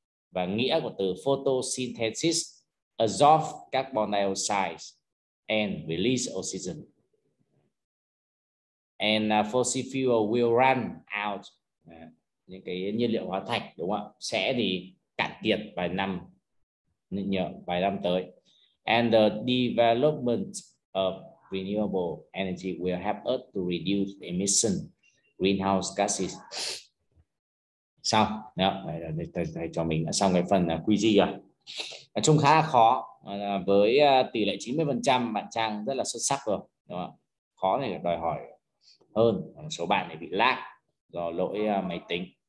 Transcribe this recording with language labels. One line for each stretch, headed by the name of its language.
Vietnamese: Và nghĩa của từ
English: photosynthesis: absorb carbon dioxide and release oxygen. And fossil fuel will run out.
Vietnamese: Những cái nhiên liệu hóa thạch đúng không ạ? Sẽ thì cạn kiệt vài năm tới.
English: And the development of renewable energy will help us to reduce emission greenhouse gases.
Vietnamese: Xong, thầy cho mình đã xong cái phần QG rồi. Nói chung khá là khó, với tỷ lệ 90% bạn Trang rất là xuất sắc rồi, đúng không? Khó thì đòi hỏi hơn, một số bạn này bị lag do lỗi máy tính.